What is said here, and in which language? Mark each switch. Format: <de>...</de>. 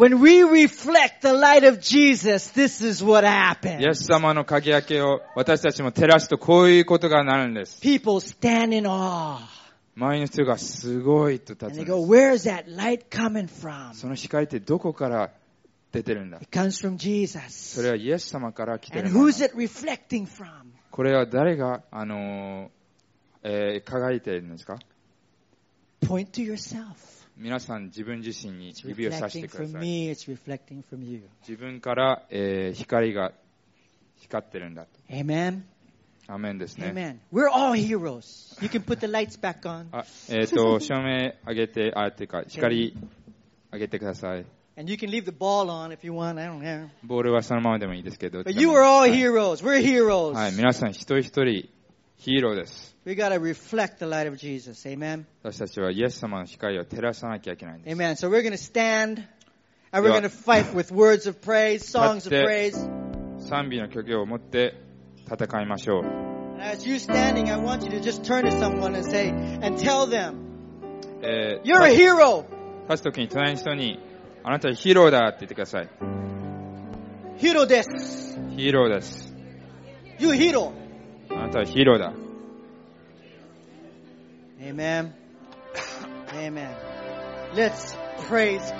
<en>When we reflect the light of Jesus, this is what happens.</en> <ja>イエス様の輝きを私たちも照らすとこういうことがなるんです。</ja> <en>People stand in awe.</en> <ja>周りの人がすごいと立つんです。</ja> <en>And they go, where is that light coming from?</en> <ja>その光ってどこから出てるんだ。</ja> <en>It comes from Jesus.</en> <ja>それはイエス様から来てる。</ja> <en>And who's it reflecting from?</en> <ja>これは誰が輝いてるんですか。</ja> <en>Point to yourself.</en> <ja>皆さん自分自身に指を指してください。</ja> <en>It's reflecting from you.</en> <ja>自分から、光が光ってるんだと。</ja> <en>Amen.</en> <ja>アメンですね。</ja> <en>Amen. We're all heroes. You can put the lights back on.</en> <ja>照明上げて、光上げてください。</ja> <en>And you can leave the ball on if you want. I don't care.</en> <ja>ボールはそのままでもいいですけど。</ja> <en>But you are all heroes. We're heroes.</en> <ja>はい、皆さん一人一人ヒーローです。</ja> <en>We gotta reflect the light of Jesus. Amen.</en> <ja>私たちはイエス様の光を照らさなきゃいけないんです。</ja> <en>Amen. So we're gonna stand and we're gonna fight with words of praise, songs of praise.</en> <ja>賛美の曲を持って戦いましょう。</ja> <en>And as you're standing, I want you to just turn to someone and say and tell them, you're a hero.</en> <ja>立つときに隣の人にあなたはヒーローだって言ってください。ヒーローです。ヒーローです。</ja> <en>You hero。</en> <ja>あなたはヒーローだ。</ja> <en>Amen. Amen. Let's praise God.</en>